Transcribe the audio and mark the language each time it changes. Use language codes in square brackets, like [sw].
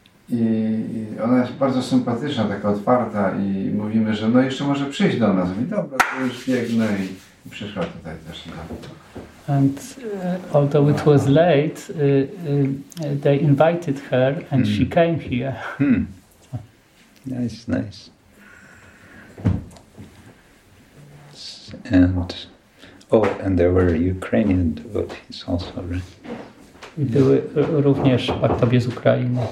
[pl] I ona jest bardzo sympatyczna, taka otwarta i mówimy, że no jeszcze może przyjść do nas. I dobra, to już biegnę i przyszła tutaj też. [en] And although it was late, they invited her and she came here. Hmm. Nice, nice. And and there were Ukrainian devotees also, right? [pl] I były również aktowie z Ukrainy.